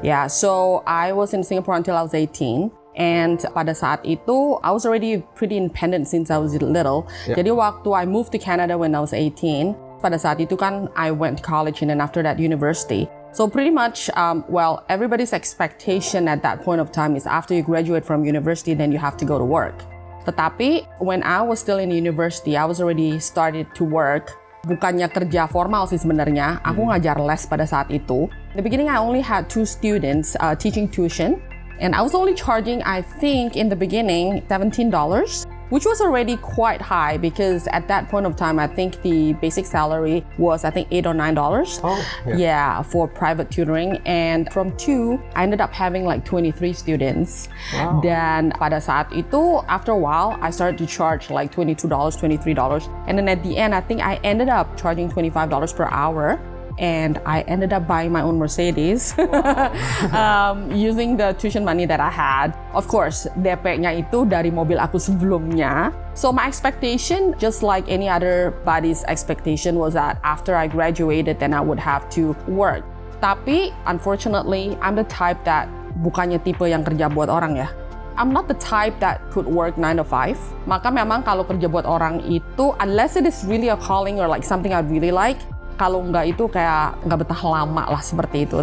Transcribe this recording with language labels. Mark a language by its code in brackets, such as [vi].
[en] Yeah, so I was in Singapore until I was 18. And [id] pada saat itu, [en] I was already pretty independent since I was little. Yeah. [id] Jadi waktu [en] I moved to Canada when I was 18, [id] pada saat itu kan [en] I went to college and then after that university. So pretty much, well, everybody's expectation at that point of time is after you graduate from university, then you have to go to work. Tetapi when I was still in university, I was already started to work. [id] Bukannya kerja formal sih sebenarnya, aku ngajar les pada saat itu. [en] In the beginning, I only had two students teaching tuition. And I was only charging, I think, in the beginning, $17, which was already quite high because at that point of time, I think the basic salary was, I think, $8 or $9. Oh, yeah. Yeah, for private tutoring. And from two, I ended up having like 23 students. Wow. Then [id] pada saat itu, [en] after a while, I started to charge like $22, $23. And then at the end, I think I ended up charging $25 per hour. And I ended up buying my own Mercedes. Wow. using the tuition money that I had. [id] Of course, DP-nya itu dari mobil aku sebelumnya. [en] So my expectation, just like any other body's expectation, was that after I graduated, then I would have to work. [id] Tapi, [en] unfortunately, I'm the type that [id] bukannya tipe yang kerja buat orang ya. [en] I'm not the type that could work 9 to 5. [id] Maka memang kalau kerja buat orang itu, [en] unless it is really a calling or like something I really like, [id] kalau enggak itu kayak enggak betah lama lah seperti itu.